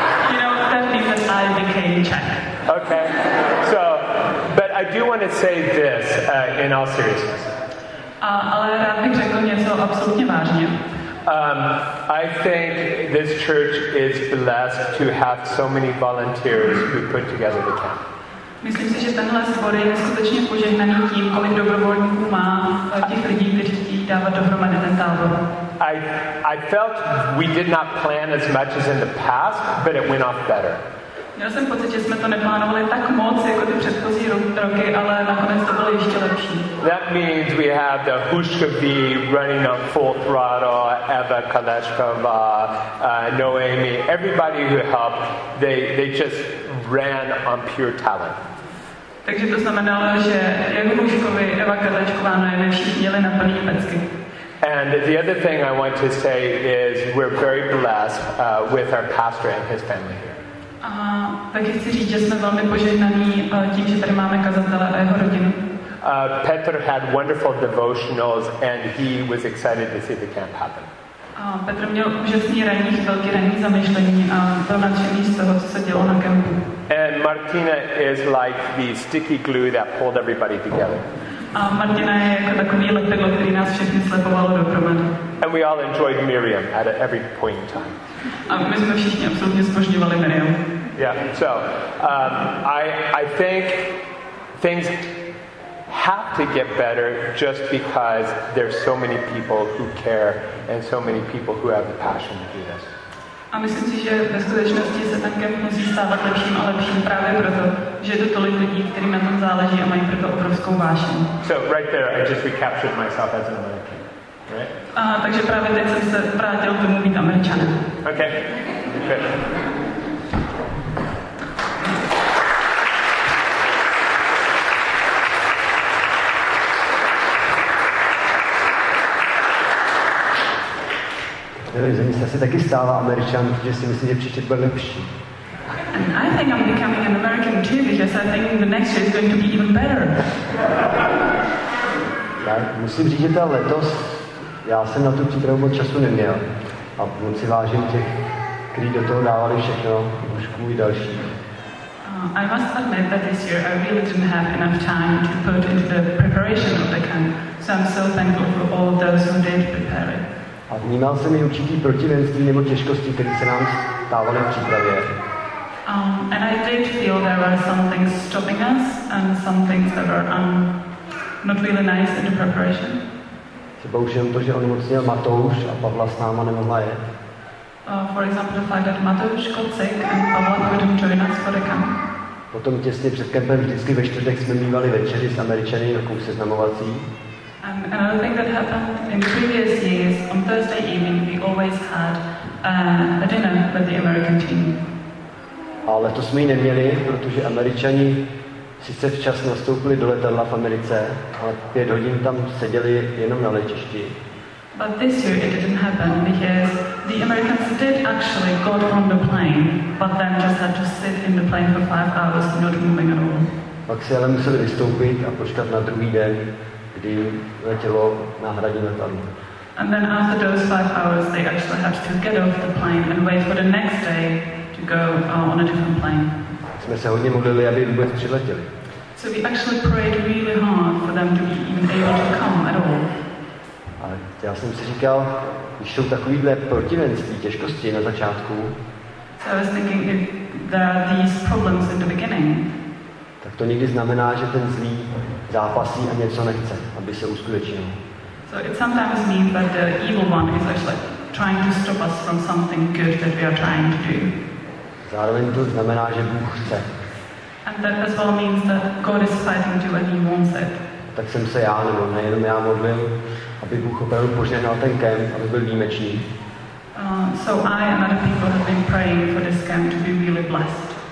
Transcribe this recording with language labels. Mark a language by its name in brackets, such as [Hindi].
[English] You know, that means that I became Czech. Okay. So, but I do want to say this in all seriousness. [Czech] Ale rád bych řekl něco absolutně vážně. [English] I think this church is blessed to have so many volunteers who put together the camp. [Czech] Myslím si, že tenhle sbor je skutečně požehnaný tím, kolik dobrovolníků má těch lidí, kteří chtějí dávat dohromady ten tábor. [English] I felt we did not plan as much as in the past, but it went off better. [Czech] Měl jsem pocit, že jsme to neplánovali tak moc jako ty předchozí roky, ale nakonec to bylo ještě lepší. [English] That means we have the Hushka V running on full throttle, Eva Kaleshkova, Noemi, everybody who helped, they just ran on pure talent. [Czech] Takže to znamenalo, že jak Hushkovi, Eva Kaleshkova, Noemi, všichni jeli na plný pecky. [English] And the other thing I want to say is we're very blessed with our pastor and his family here. [Czech] Tak chci říct, že jsme velmi požehnaní tím, že tady máme kazatele a jeho rodinu. [English] Petr had wonderful devotionals and he was excited to see the camp happen. [Czech] Petr měl úžasný ranní, velký ranní zamyšlení a byl nadšený z toho, co se dělo na kempu. [English] And Martina is like the sticky glue that pulled everybody together. [Czech] A Martina je jako takový lepidlo, který nás všechny slepovalo dohromady. [English] And we all enjoyed Miriam at every point in time. [Czech] A my jsme všichni absolutně zbožňovali Miriam. [English] Yeah, so I think things have to get better just because there's so many people who care and so many people who have the passion to do this. [Czech] A myslím si, že ve skutečnosti se ten kemp musí stávat lepším a lepším právě proto, že je to tolik lidí, kterým na tom záleží a mají proto obrovskou vášeň. [English] So right there, I just recaptured myself as an American. Right. [Czech] Takže právě teď jsem se vrátil k tomu být Američanem. [English] Okay. Good. [Czech] Zemi se asi taky stává Američan, protože si myslím, že příště bude lepší. [English] And I think I'm becoming an American too, because I think the next year is going to be even better. [Czech] Tak, musím říct, že ta letos, já jsem na tu přípravu moc času neměl a moc si vážím těch, kteří do toho dávali všechno, Dušku i další. [English] I must admit that this year I really didn't have enough time to put into the preparation of the camp, so I'm so thankful for all those who did prepare it. [Czech] A vnímal jsem i určitý protivenství nebo těžkosti, které se nám stávaly v přípravě. [English] And I did feel there were some things stopping us and some things that were not really nice in the preparation. [Czech] Třeba už jenom to, že onemocněl Matouš a Pavla s náma nemohla jet. [English] For example, the fact that Matouš got sick and Pavla couldn't join us for the camp. [Czech] Potom těsně před kempem vždycky ve čtvrtek jsme mývali večeři s Američany na kůl seznamovací. [English] And another thing that happened in previous years, on Thursday evening we always had a dinner with the American team. [Czech] Ale to jsme ji neměli, protože Američani sice včas nastoupili do letadla v Americe, ale 5 hodin tam seděli jenom na letišti. [English] But this year it didn't happen because the Americans did actually got on the plane, but then just had to sit in the plane for 5 hours not moving at all. [Czech] Pak si ale museli vystoupit a počkat na druhý den, kdy letělo na hradě letadlo. [English] And then after those 5 hours they actually had to get off the plane and wait for the next day to go on a different plane. [Czech] Jsme se hodně modlili, aby vůbec přiletěli. [English] So we actually prayed really hard for them to be even able to come at all. [Czech] Ale já jsem si říkal, když jsou takovýhle protivenství, těžkosti na začátku, [English] so I was thinking if there are these problems in the beginning, [Czech] tak to někdy znamená, že ten zlý zápasí a něco nechce, aby se uskutečnil. [English] So it sometimes means that the evil one is actually trying to stop us from something good that we are trying to do. [Czech] Zároveň to znamená, že Bůh chce. [English] And that as well means that God is fighting to and he wants it. [Czech] Tak jsem se já, nebo nejenom já modlil, aby Bůh opravdu požehnal ten kemp, aby byl výjimečný. [English] So I and other people have been praying for this camp to be really blessed.